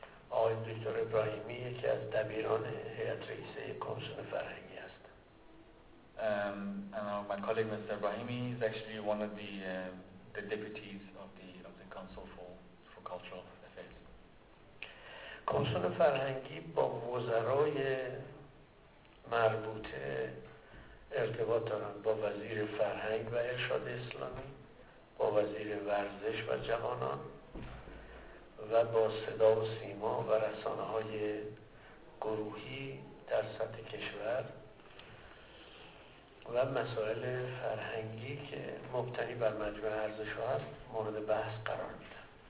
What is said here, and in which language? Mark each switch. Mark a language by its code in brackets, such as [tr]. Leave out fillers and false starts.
[fa] آقای دکتر ابراهیمی یکی از دبیران هیئت رئیسه کمیسیون فرهنگی است. [en] And my colleague Mr. Ibrahimi is actually one of the the deputies of the Council for Cultural Affairs. [fa] کنسول فرهنگی با وزرای مربوطه ارتباط دارن، با وزیر فرهنگ و ارشاد اسلامی، با وزیر ورزش و جوانان و با صدا و سیما و رسانه های گروهی در سطح کشور و مسائل فرهنگی که مبتنی بر مجموع ارزش ها هست مورد بحث قرار میدن.